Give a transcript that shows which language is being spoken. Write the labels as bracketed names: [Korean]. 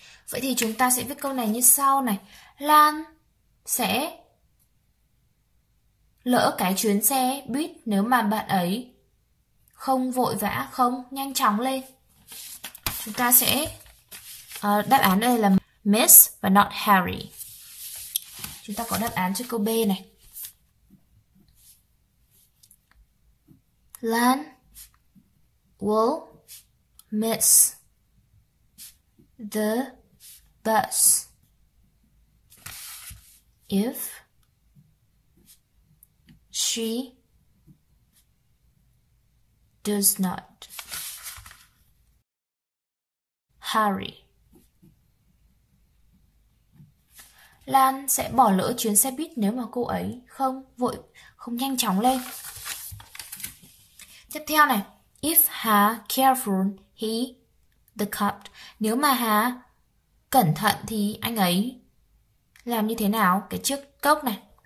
[Vietnamese] Vậy thì chúng ta sẽ viết câu này như sau này. Lan sẽ lỡ cái chuyến xe buýt nếu mà bạn ấy không vội vã, không nhanh chóng lên. Chúng ta sẽ đáp án đây là miss và not hurry. Chúng ta có đáp án cho câu B này. [English] Lan will miss the bus if she does not hurry. [Vietnamese] Lan sẽ bỏ lỡ chuyến xe buýt nếu mà cô ấy không vội, không nhanh chóng lên. Tiếp theo này, [English] if Hà careful, he the cup. [Vietnamese] Nếu mà Hà cẩn thận thì anh ấy làm như thế nào? Cái chiếc cốc này.